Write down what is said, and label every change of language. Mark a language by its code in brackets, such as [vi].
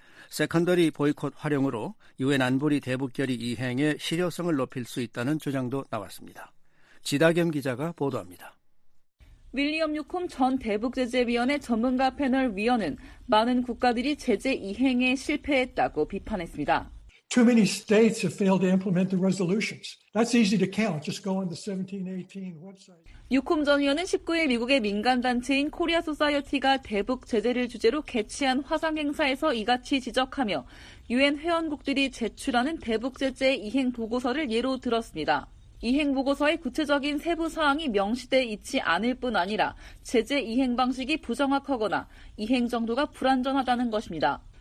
[ko] 세컨더리 보이콧 활용으로 유엔 안보리 대북결의 이행에 실효성을 높일 수 있다는 주장도 나왔습니다. 지다겸 기자가 보도합니다. 윌리엄 유콤 전 대북제재위원회 전문가 패널 위원은 많은 국가들이 제재 이행에 실패했다고 비판했습니다. [en] Too many states have failed to implement the resolutions. That's easy to count. Just go on the 1718 website. [ko] 유콤 전 위원은 19일 미국의 민간단체인 코리아 소사이어티가 대북 제재를 주제로 개최한 화상 행사에서 이같이 지적하며 유엔 회원국들이 제출하는 대북 제재 이행 보고서를 예로 들었습니다. 이행 보고서의 구체적인 세부 사항이 명시되어 있지 않을 뿐 아니라 제재 이행 방식이 부정확하거나 이행 정도가 불완전하다는 것입니다.